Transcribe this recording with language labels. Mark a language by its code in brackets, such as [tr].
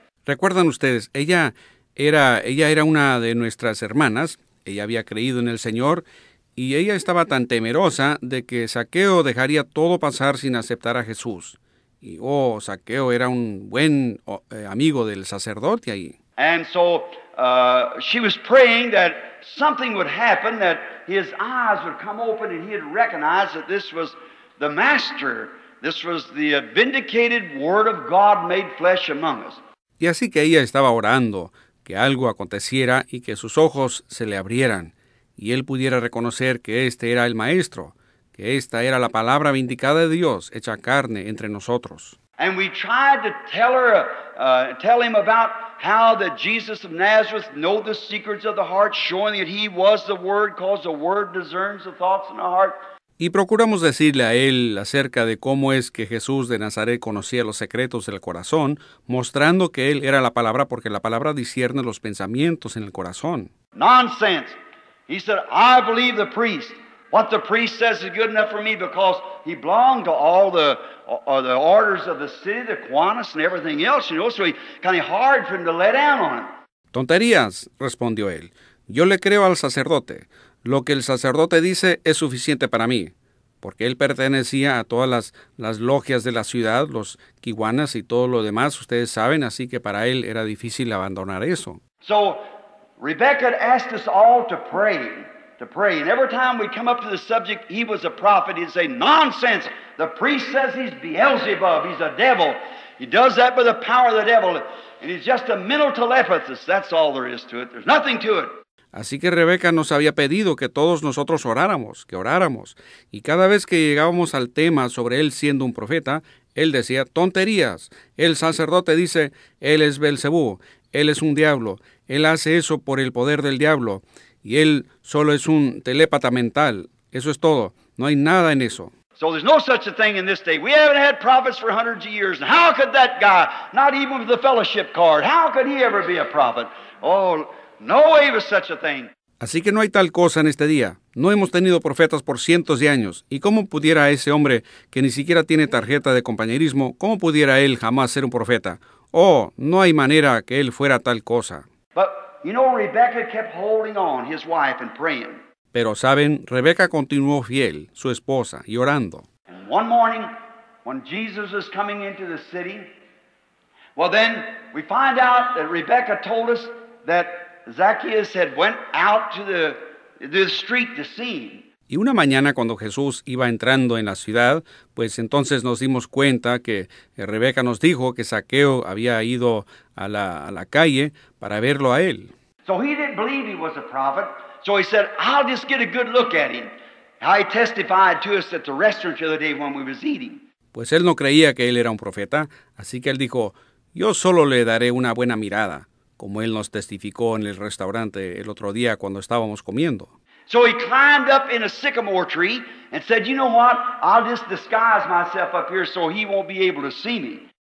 [es] ¿Recuerdan ustedes? Ella era una de nuestras hermanas. Ella había creído en el Señor y ella estaba tan temerosa de que Zaqueo dejaría todo pasar sin aceptar a Jesús. Y oh, Zaqueo era un buen amigo del sacerdote ahí. [en] And so she was praying that something would happen, that his eyes would come open and he'd recognize that this was the Master. This was the vindicated Word of God made flesh among us. [es] Y así que ella estaba orando que algo aconteciera y que sus ojos se le abrieran y él pudiera reconocer que este era el Maestro, que esta era la palabra vindicada de Dios hecha carne entre nosotros. [en] And we tried to tell him about how the Jesus of Nazareth knew the secrets of the heart, showing that he was the Word, because the Word discerns the thoughts in the heart. [es] Y procuramos decirle a él acerca de cómo es que Jesús de Nazaret conocía los secretos del corazón, mostrando que él era la palabra porque la palabra discierne los pensamientos en el corazón. [en] Nonsense. He said, I believe the priest. What the priest says is good enough for me because he belonged to all the orders of the city, the Kiwanis and everything else, you know, so he kind of hard for him to let down on it. [es] Tonterías, respondió él. Yo le creo al sacerdote. Lo que el sacerdote dice es suficiente para mí, porque él pertenecía a todas las logias de la ciudad, los Kiwanis y todo lo demás, ustedes saben, así que para él era difícil abandonar eso. [en] So, Rebecca asked us all to pray, and every time we come up to the subject, he was a prophet, he'd say, nonsense, the priest says he's Beelzebub, he's a devil, he does that by the power of the devil, and he's just a mental telepathy, that's all there is to it, there's nothing to it. [es] Así que Rebeca nos había pedido que todos nosotros oráramos, que oráramos. Y cada vez que llegábamos al tema sobre él siendo un profeta, él decía, tonterías. El sacerdote dice, él es Belcebú, él es un diablo, él hace eso por el poder del diablo. Y él solo es un telépata mental. Eso es todo. No hay nada en eso. [en] So there's no such a thing in this day. We haven't had prophets for hundreds of years. And how could that guy, not even with the fellowship card, how could he ever be a prophet? Oh, no way was such a thing. [es] Así que no hay tal cosa en este día. No hemos tenido profetas por cientos de años. ¿Y cómo pudiera ese hombre, que ni siquiera tiene tarjeta de compañerismo, cómo pudiera él jamás ser un profeta? Oh, no hay manera que él fuera tal cosa. [en] But, you know, Rebecca kept holding on, his wife, and praying. [es] Pero, ¿saben? Rebeca continuó fiel, su esposa, y orando. [en] And one morning, when Jesus was coming into the city, well then, we find out that Rebecca told us that Zacchaeus had went out to the street to see him. [es] Y una mañana cuando Jesús iba entrando en la ciudad, pues entonces nos dimos cuenta que Rebeca nos dijo que Zaqueo había ido a la calle para verlo a él. [en] So he didn't believe he was a prophet. So he said, I'll just get a good look at him. I testified to us at the restaurant the other day when we was eating. [es] Pues él no creía que él era un profeta, así que él dijo, yo solo le daré una buena mirada. Como él nos testificó en el restaurante el otro día cuando estábamos comiendo. [en] So he climbed up in a sycamore tree and said, you know what, I'll just disguise myself up here so he won't be able to see me.